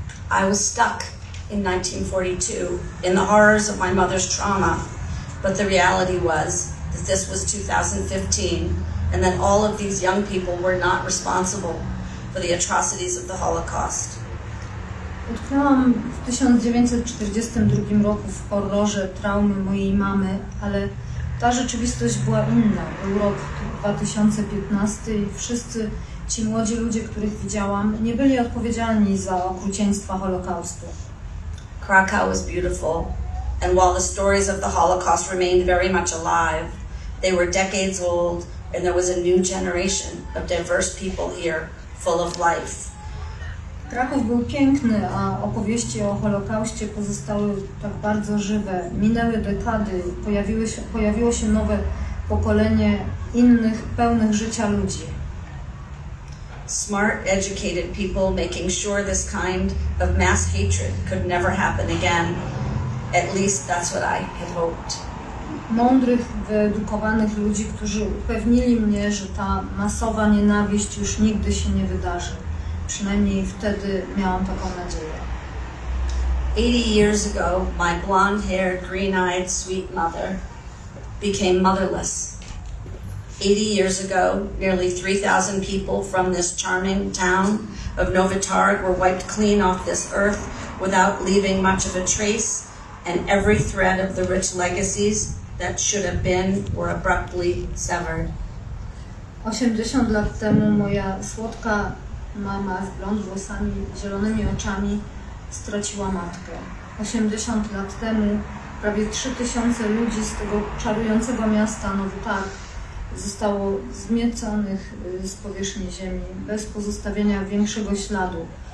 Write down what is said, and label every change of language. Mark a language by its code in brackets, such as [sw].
[en] I was stuck in 1942 in the horrors of my mother's trauma, but the reality was that this was 2015 and that all of these young people were not responsible for the atrocities of the Holocaust. [pl] Utknęłam w 1942 roku w horrorze traumy mojej mamy, ale ta rzeczywistość była inna. Był rok 2015 i wszyscy ci młodzi ludzie, których widziałam, nie byli odpowiedzialni za okrucieństwa Holokaustu. [en] Krakow was beautiful, and while the stories of the Holocaust remained very much alive, they were decades old, and there was a new generation of diverse people here, full of life. [pl] Kraków był piękny, a opowieści o Holokauście pozostały tak bardzo żywe. Minęły dekady, pojawiło się nowe pokolenie innych, pełnych życia ludzi. [en] Smart, educated people making sure this kind of mass hatred could never happen again. At least that's what I had hoped. [pl] Mądrych, wyedukowanych ludzi, którzy upewnili mnie, że ta masowa nienawiść już nigdy się nie wydarzy. Przynajmniej wtedy miałam taką nadzieję. [en] 80 years ago, my blonde-haired, green-eyed, sweet mother became motherless. 80 years ago, nearly 3,000 people from this charming town of Novitarg were wiped clean off this earth without leaving much of a trace, and every thread of the rich legacies that should have been were abruptly severed. [pl] 80 lat temu moja słodka mama z blond włosami, zielonymi oczami straciła matkę. 80 lat temu prawie 3000 ludzi z tego czarującego miasta Novitarg zostało zmieconych z powierzchni ziemi, bez pozostawienia większego śladu.